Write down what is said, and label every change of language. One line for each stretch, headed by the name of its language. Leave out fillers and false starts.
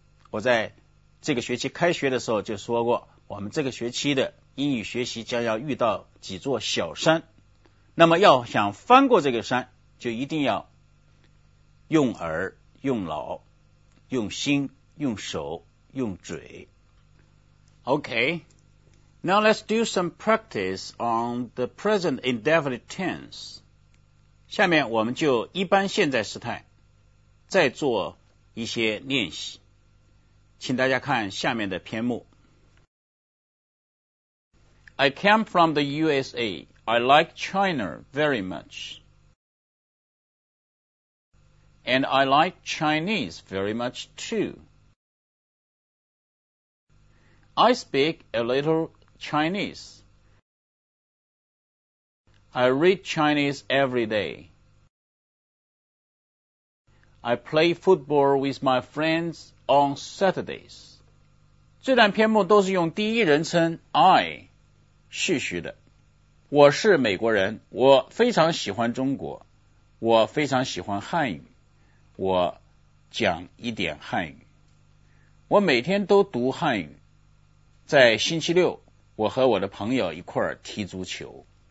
Chinese: 我在这个学期开学的时候就说过，我们这个学期的英语学习将要遇到几座小山。那么要想翻过这个山，就一定要用耳、用脑、用心、用手、用嘴。
English: Okay. Now let's do some practice on the present indefinite tense.
Chinese: 下面我们就一般现在时态再做一些练习。请大家看下面的篇目。
English: I came from the USA. I like China very much. And I like Chinese very much too. I speak a littleChinese. I read Chinese every day. I play football with my friends on Saturdays.
Chinese: 这段篇目都是用第一人称 I 叙述的。我是美国人，我非常喜欢中国，我非常喜欢汉语，我讲一点汉语。我每天都读汉语，在星期六我和我的朋友一块儿踢足球。